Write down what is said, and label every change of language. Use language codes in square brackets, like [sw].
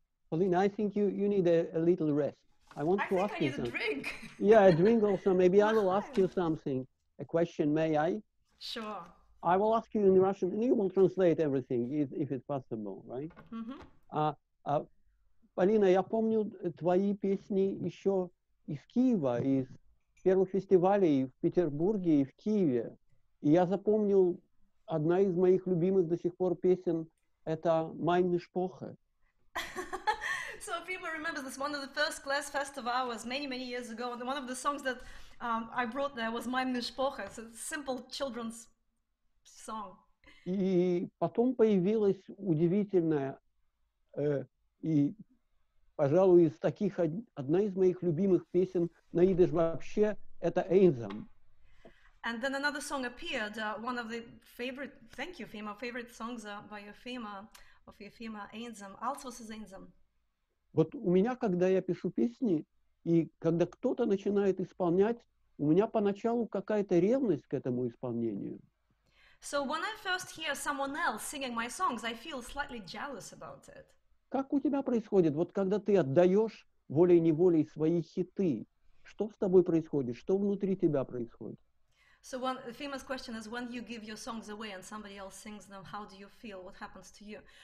[en] Полина, I think you need a little rest. I want to ask you something. Yeah, a drink also. Maybe I will ask you something. A question, may I? Sure. I will ask you in Russian, and you will translate everything, if it's possible, right? [ru] Полина, я помню твои песни еще из Киева, из первых фестивалей в Петербурге и в Киеве. И я запомнил, одна из моих любимых до сих пор песен – это «Майн Шпохе». [en] So people remember this, one of the first class festival was many, many years ago, and one of the songs that I brought there was «Майн Шпохе», it's a simple children's song. [ru] И потом появилась удивительная и, пожалуй, из таких одна из моих любимых песен на идиш вообще это «Эйнзам». [en] And then another song appeared, one of the favorite, thank you, Fima, favorite songs by Fima, of Fima, «Эйнзам», «Алсос из Эйнзам». [ru] Вот у меня, когда я пишу песни и когда кто-то начинает исполнять, у меня поначалу какая-то ревность к этому исполнению. [en] So when I first hear someone else singing my songs, I feel slightly jealous about it. [ru] Как у тебя происходит? Вот когда ты отдаешь волей-неволей свои хиты, что с тобой происходит? Что внутри тебя происходит? [en] So one famous question is, when you give your songs away and somebody else sings them, how do you feel? What happens to you?